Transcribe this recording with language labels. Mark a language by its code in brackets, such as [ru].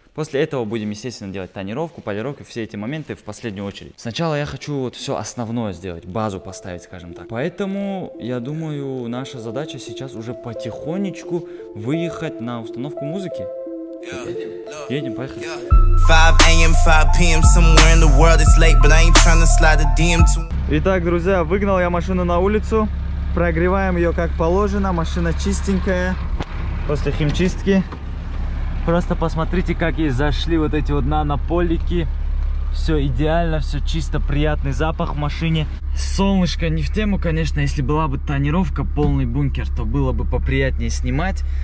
[ru] После этого будем, естественно, делать тонировку, полировку, все эти моменты в последнюю очередь. Сначала я хочу вот все основное сделать, базу поставить, скажем так. Поэтому, я думаю, наша задача сейчас уже потихонечку выехать на установку музыки. Едем, поехали. [en] 5 a.m., 5 p.m. somewhere in the world, it's late, but I ain't tryna slide a DM to... [ru] Итак, друзья, выгнал я машину на улицу. Прогреваем ее как положено, машина чистенькая. После химчистки. Просто посмотрите, как ей зашли вот эти вот нанополики. Все идеально, все чисто, приятный запах в машине. Солнышко не в тему, конечно, если была бы тонировка, полный бункер, то было бы поприятнее снимать.